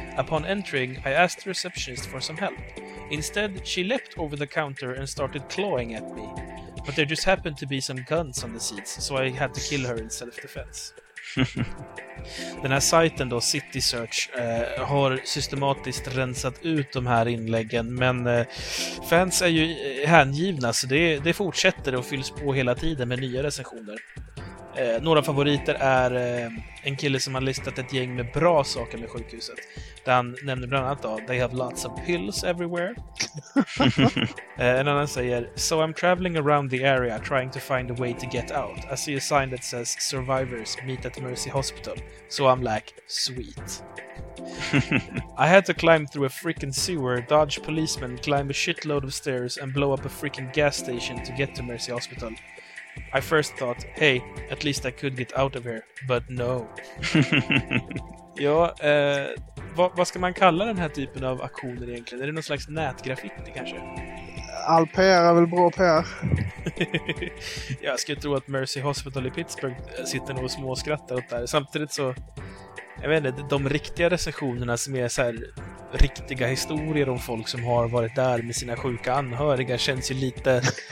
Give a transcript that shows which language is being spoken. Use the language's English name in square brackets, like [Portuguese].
[English] Upon entering, I asked the receptionist for some help. Instead, she leapt over the counter and started clawing at me. But there just happened to be some guns on the seats, so I had to kill her in self-defense. [Swedish] Den här sajten då, City Search, har systematiskt rensat ut de här inläggen. Men fans är ju hängivna, så det fortsätter och fylls på hela tiden med nya recensioner. Några favoriter är en kille som har listat ett gäng med bra saker med sjukhuset. [English] Den nämner bland annat då, they have lots of pills everywhere. En annan säger, so I'm traveling around the area trying to find a way to get out. I see a sign that says survivors meet at Mercy Hospital. So I'm like, sweet. I had to climb through a freaking sewer, dodge policemen, climb a shitload of stairs and blow up a freaking gas station to get to Mercy Hospital. I first thought, hey, at least I could get out of here, but no. [Swedish] Ja, vad ska man kalla den här typen av aktioner egentligen? Är det någon slags nätgraffiti kanske? All PR är väl bra PR. Jag skulle tro att Mercy Hospital i Pittsburgh sitter nog och småskrattar åt det här. Samtidigt så, jag vet inte, de riktiga recensionerna som är så här riktiga historier om folk som har varit där med sina sjuka anhöriga känns ju lite...